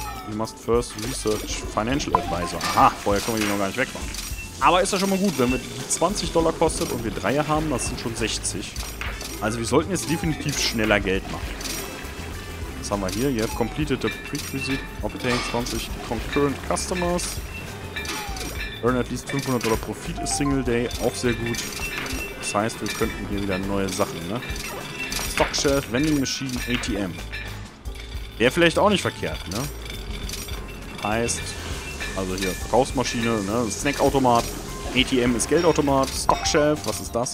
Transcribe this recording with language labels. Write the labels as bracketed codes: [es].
[en] You must first research financial advisor. [de] Aha, vorher können wir die noch gar nicht wegmachen. Aber ist ja schon mal gut, wenn wir die 20 Dollar kostet und wir 3 haben, das sind schon 60. Also wir sollten jetzt definitiv schneller Geld machen. Was haben wir hier? [en] You have completed the prerequisite, obtain 20 concurrent customers. Earn at least $500 profit a single day, [de] auch sehr gut. Das heißt, wir könnten hier wieder neue Sachen, ne? Stock Shelf, Vending Machine, ATM. Wäre vielleicht auch nicht verkehrt, ne? Heißt, also hier, Verkaufsmaschine, ne, Snackautomat, ATM ist Geldautomat, Stockshelf, was ist das?